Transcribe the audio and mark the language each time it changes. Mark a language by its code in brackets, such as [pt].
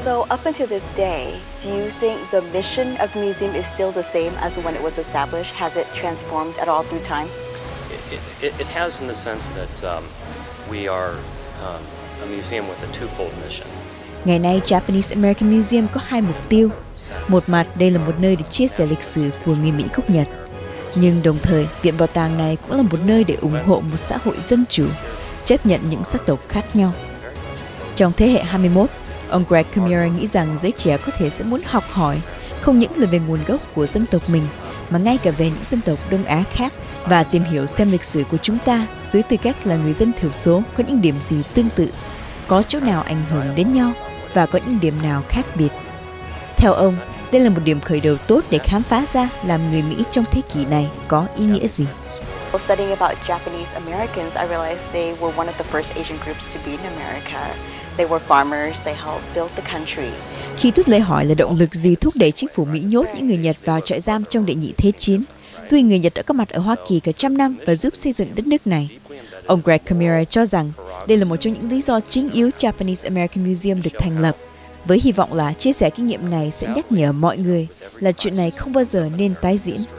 [en] Up until this day, do you think the mission of the museum is still the same as when it was established? Has it transformed at all through time? It has, in the sense that we are a museum with a twofold mission. [vi] Ngày nay, Japanese American Museum có hai mục tiêu. Một mặt, đây là một nơi để chia sẻ lịch sử của người Mỹ gốc Nhật. Nhưng đồng thời, viện bảo tàng này cũng là một nơi để ủng hộ một xã hội dân chủ, chấp nhận những sắc tộc khác nhau. Trong thế hệ 21, ông Greg Kimura nghĩ rằng giới trẻ có thể sẽ muốn học hỏi không những là về nguồn gốc của dân tộc mình, mà ngay cả về những dân tộc Đông Á khác, và tìm hiểu xem lịch sử của chúng ta dưới tư cách là người dân thiểu số có những điểm gì tương tự, có chỗ nào ảnh hưởng đến nhau và có những điểm nào khác biệt. Theo ông, đây là một điểm khởi đầu tốt để khám phá ra làm người Mỹ trong thế kỷ này có ý nghĩa gì. [en] Studying about Japanese Americans, I realized they were one of the first Asian groups to be in America. They were farmers, they helped build the country. [vi] Khi Tuyết Lê hỏi là động lực gì thúc đẩy chính phủ Mỹ nhốt những người Nhật vào trại giam trong đệ nhị thế chiến, tuy người Nhật đã có mặt ở Hoa Kỳ cả trăm năm và giúp xây dựng đất nước này, ông Greg Kimura cho rằng đây là một trong những lý do chính yếu Japanese American Museum được thành lập, với hy vọng là chia sẻ kinh nghiệm này sẽ nhắc nhở mọi người là chuyện này không bao giờ nên tái diễn.